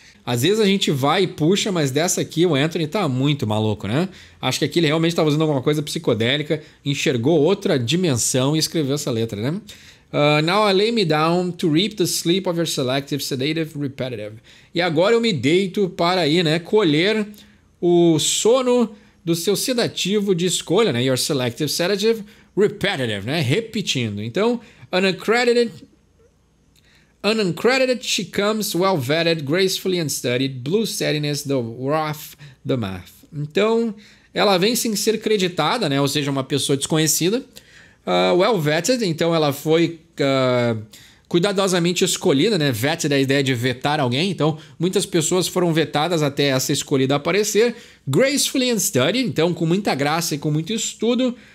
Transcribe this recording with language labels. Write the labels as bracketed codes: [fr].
[pt] Às vezes a gente vai e puxa, mas dessa aqui o Anthony tá muito maluco, né? Acho que aqui ele realmente tava usando alguma coisa psicodélica, enxergou outra dimensão e escreveu essa letra, né? [en] Now I lay me down to reap the sleep of your selective, sedative, repetitive. [pt] E agora eu me deito para aí, né, colher o sono do seu sedativo de escolha, né? [en] Your selective, sedative, repetitive, [pt] né? Repetindo. [en] Então, unaccredited she comes, well vetted, gracefully and studied, blue steadiness, the wrath, the math. [pt] Então, ela vem sem ser creditada, né? Ou seja, uma pessoa desconhecida. [en] Well vetted, [pt] então ela foi cuidadosamente escolhida, né? Vetted é a ideia de vetar alguém, então muitas pessoas foram vetadas até essa escolhida aparecer. [en] Gracefully and studied, [pt] então com muita graça e com muito estudo.